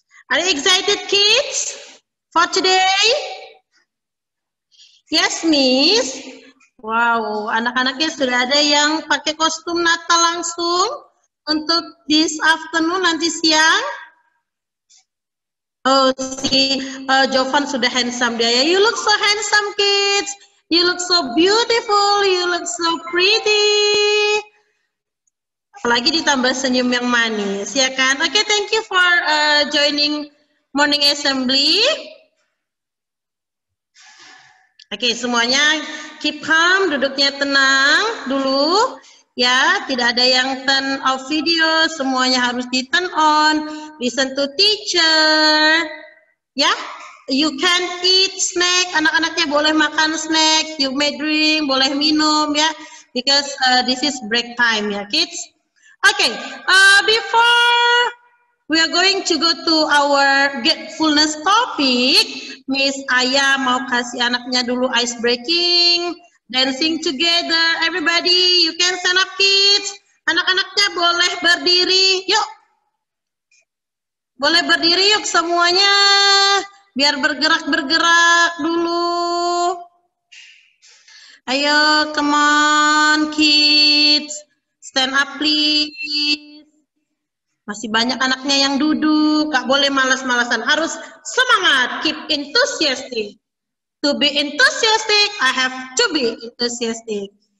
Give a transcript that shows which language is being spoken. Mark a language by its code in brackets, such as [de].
[en] Are you excited, kids, for today? Yes, Miss. [id] Wow, anak-anaknya sudah ada yang pakai kostum Natal langsung. Untuk this afternoon, nanti siang. Oh, Jovan sudah handsome dia ya. [en] You look so handsome, kids. You look so beautiful. You look so pretty. [id] Apalagi ditambah senyum yang manis, ya kan? [en] Okay, thank you for joining morning assembly. [id] Okay, semuanya keep calm, duduknya tenang dulu. Ya, tidak ada yang turn off video, semuanya harus di turn on. [en] Listen to teacher. Ya, you can eat snack, anak-anaknya boleh makan snack, you may drink, boleh minum ya. Because this is break time ya, kids. Okay, before we are going to go to our gratefulness topic, Miss Aya mau kasih anaknya dulu ice breaking. Dancing together, everybody. You can stand up, kids. [id] Anak-anaknya boleh berdiri. Yuk. Boleh berdiri, yuk, semuanya. Biar bergerak-bergerak dulu. Ayo, come on, kids. Stand up, please. Masih banyak anaknya yang duduk. Gak boleh malas-malasan. Harus semangat. Keep enthusiastic. [en] To be enthusiastic, I have to be enthusiastic.